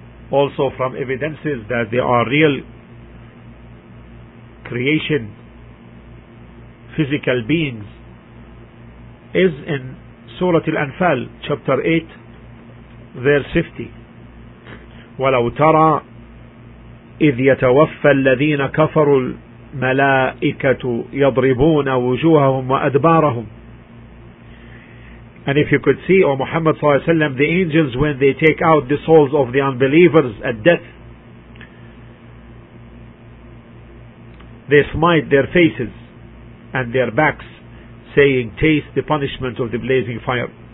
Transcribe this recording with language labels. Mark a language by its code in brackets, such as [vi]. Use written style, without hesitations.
[en] Also from evidences that they are real creation, physical beings, is in سورة الأنفال chapter 8 verse 50. [ar] ولو ترى إذ يتوفى الذين كفروا الملائكة يضربون وجوههم وأدبارهم. [en] And if you could see, O Muhammad [ar] صلى الله عليه وسلم, [en] the angels when they take out the souls of the unbelievers at death, they smite their faces and their backs, saying, taste the punishment of the blazing fire.